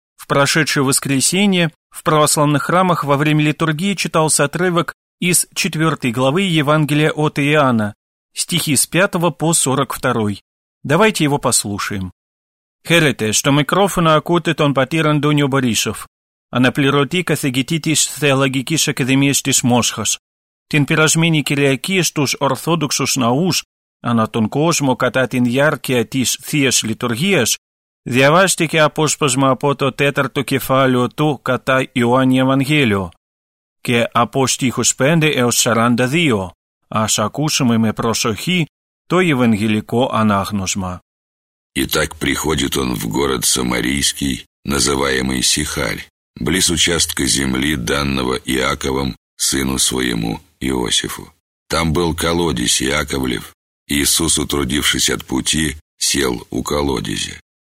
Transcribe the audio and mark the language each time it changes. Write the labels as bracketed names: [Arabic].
[Russian] В прошедшее воскресенье в православных храмах во время литургии читался отрывок из 4 главы Евангелия от Иоанна, стихи с 5 по 42. Давайте его послушаем. [Greek] Хэрете, что микрофона окутит он патир Антоний Борисов. Αναπληρωτή καθηγητή της Θεολογικής Ακαδημίας της Μόσχας, την περασμένη Κυριακή στους Ορθόδοξους Ναούς ανά τον κόσμο κατά την διάρκεια της Θείας Λειτουργίας, διαβάστηκε απόσπασμα από το 4ο κεφάλαιο του κατά Ιωάννη Ευαγγέλιο και από στίχους 5 έως 42. Ας ακούσουμε με προσοχή το Ευαγγελικό ανάγνωσμα. [Russian] Итак, приходит он в город Самарийский, называемый Сихарь, близ участка земли, данного Иаковом, сыну своему Иосифу. Там был колодец Иаковлев, и Иисус, утрудившись от пути, сел у колодезя.